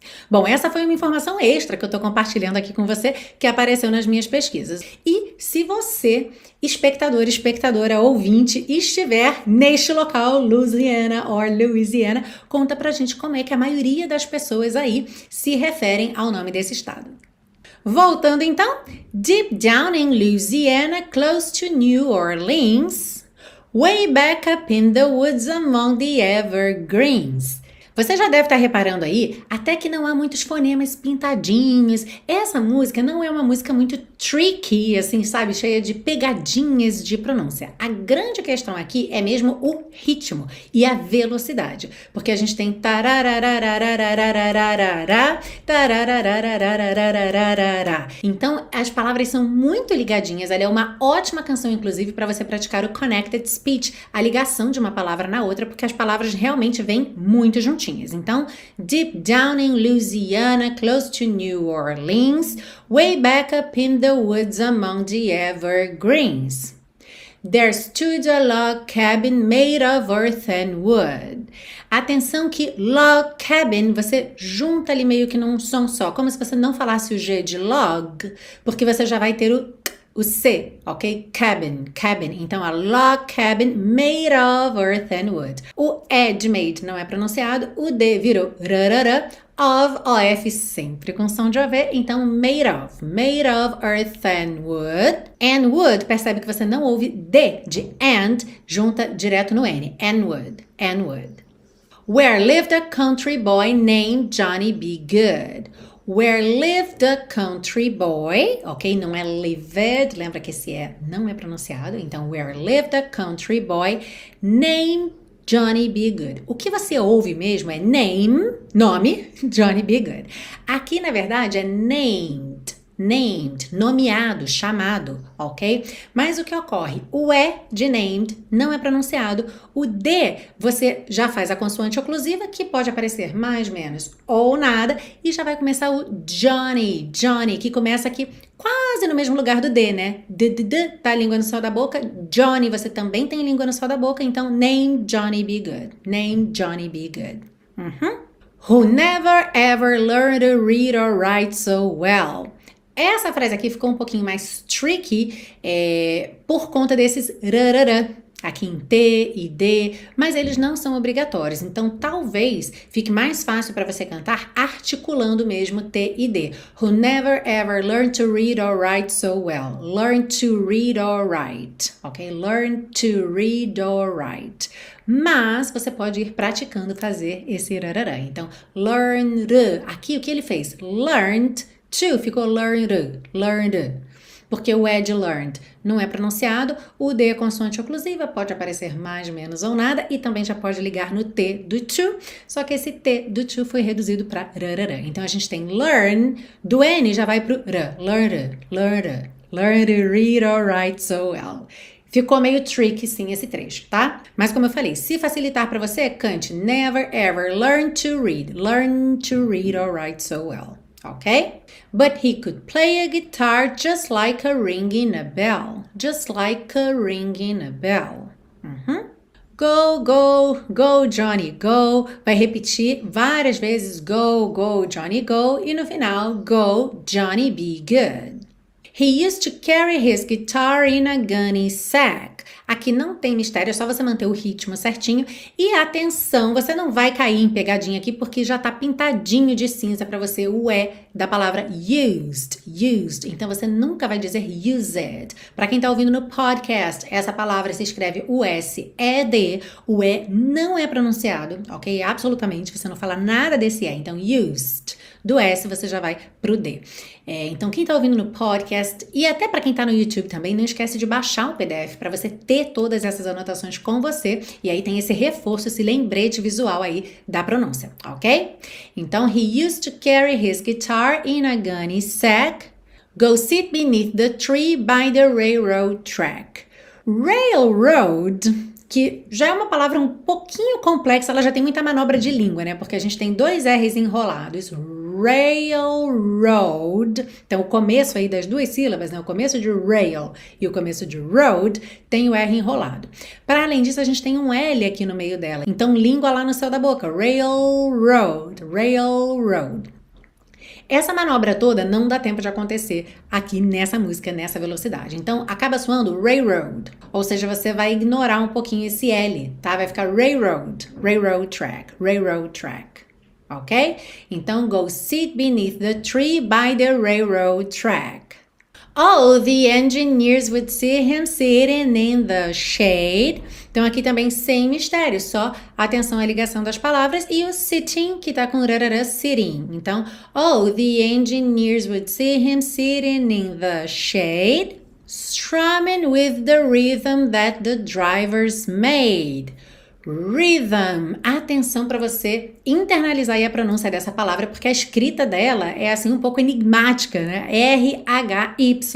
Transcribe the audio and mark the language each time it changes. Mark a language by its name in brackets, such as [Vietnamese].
[Portuguese] Bom, essa foi uma informação extra que eu estou compartilhando aqui com você, que apareceu nas minhas pesquisas. E se você, espectador, espectadora, ouvinte, estiver neste local, Louisiana or Louisiana, conta pra gente como é que a maioria das pessoas aí se referem ao nome desse estado. [English] Voltando então, deep down in Louisiana, close to New Orleans, way back up in the woods among the evergreens. [Portuguese] Você já deve estar reparando aí, até que não há muitos fonemas pintadinhos. Essa música não é uma música muito tricky, assim, sabe? Cheia de pegadinhas de pronúncia. A grande questão aqui é mesmo o ritmo e a velocidade. Porque a gente tem tarararararararararará, tarararararararararará. Então, as palavras são muito ligadinhas. Ela é uma ótima canção, inclusive, para você praticar o connected speech, a ligação de uma palavra na outra, porque as palavras realmente vêm muito juntinhas. [English] Então, deep down in Louisiana, close to New Orleans, way back up in the woods among the evergreens, there stood a log cabin made of earth and wood. [Portuguese] Atenção que log cabin, você junta ali meio que num som só, como se você não falasse o G de log, porque você já vai ter o C, ok? [English] Cabin, cabin. Então, a log cabin made of earth and wood. [Portuguese] O E de made não é pronunciado, o D virou rarara, of, OF, sempre com som de OV. [English] Então, made of earth and wood. And wood, [Portuguese] percebe que você não ouve D de and, junta direto no N. [English] And wood, and wood. Where lived a country boy named Johnny B. Goode? Where lived a country boy, ok? [Portuguese] Não é lived, lembra que esse E não é pronunciado. [English] Então, where lived a country boy named Johnny B. Goode. [Portuguese] O que você ouve mesmo é name, nome, Johnny B. Goode. Aqui, na verdade, é named, nomeado, chamado, ok? Mas o que ocorre? O E de named não é pronunciado. O D você já faz a consoante oclusiva, que pode aparecer mais, menos ou nada, e já vai começar o Johnny, Johnny, que começa aqui quase no mesmo lugar do D, né? D, tá a língua no céu da boca. Johnny, você também tem língua no céu da boca, então name Johnny B. [English] Goode. Name Johnny B. Goode. Who never ever learned to read or write so well? [Portuguese] Essa frase aqui ficou um pouquinho mais tricky, por conta desses rarara, aqui em T e D, mas eles não são obrigatórios. Então, talvez fique mais fácil para você cantar articulando mesmo T e D. [English] Who never ever learned to read or write so well? Learn to read or write, ok? Learn to read or write. [Portuguese] Mas você pode ir praticando fazer esse rarara. Então, learn r. Aqui o que ele fez? Learned. To ficou learned, learned, porque o ed learned não é pronunciado, o d é consoante oclusiva, pode aparecer mais, menos ou nada, e também já pode ligar no t do to, só que esse t do to foi reduzido para rarara. Então a gente tem learn, do n já vai para o r, learned, learned, [English] learned to read or write so well. [Portuguese] Ficou meio tricky, sim, esse trecho, tá? Mas como eu falei, se facilitar para você, cante [English] never ever learn to read or write so well. Okay? But he could play a guitar just like a ringing a bell. Just like a ringing a bell. Go, go, go, Johnny, go. [Portuguese] Vai repetir várias vezes. [English] Go, go, Johnny, go. [Portuguese] E no final, [English] go, Johnny, be good. He used to carry his guitar in a gunny sack. [Portuguese] Aqui não tem mistério, é só você manter o ritmo certinho. E atenção, você não vai cair em pegadinha aqui porque já tá pintadinho de cinza para você o E da palavra used, used. Então você nunca vai dizer used. Para quem tá ouvindo no podcast, essa palavra se escreve USED, o E não é pronunciado, ok? Absolutamente, você não fala nada desse E. Então used. Do S você já vai pro D. Então, quem tá ouvindo no podcast e até para quem tá no YouTube também, não esquece de baixar o PDF para você ter todas essas anotações com você. E aí tem esse reforço, esse lembrete visual aí da pronúncia, ok? [English] Então, he used to carry his guitar in a gunny sack. Go sit beneath the tree by the railroad track. Railroad. [Portuguese] Que já é uma palavra um pouquinho complexa, ela já tem muita manobra de língua, né? Porque a gente tem dois R's enrolados. Railroad. railroad. Então, o começo aí das duas sílabas, né? O começo de rail e o começo de road tem o R enrolado. Para além disso, a gente tem um L aqui no meio dela. Então, língua lá no céu da boca. Railroad, railroad. Essa manobra toda não dá tempo de acontecer aqui nessa música, nessa velocidade. Então, acaba soando railroad. Ou seja, você vai ignorar um pouquinho esse L, tá? Vai ficar [English] railroad, railroad track, railroad track. Ok? Então, go sit beneath the tree by the railroad track. Oh, the engineers would see him sitting in the shade. [Portuguese] Então, aqui também sem mistério, só atenção à ligação das palavras e o sitting, que tá com rarara, sitting. [English] Então, oh, the engineers would see him sitting in the shade, strumming with the rhythm that the drivers made. Rhythm. [Portuguese] Atenção para você internalizar aí a pronúncia dessa palavra, porque a escrita dela é assim um pouco enigmática, né? [English] R-H-Y-T-H-M.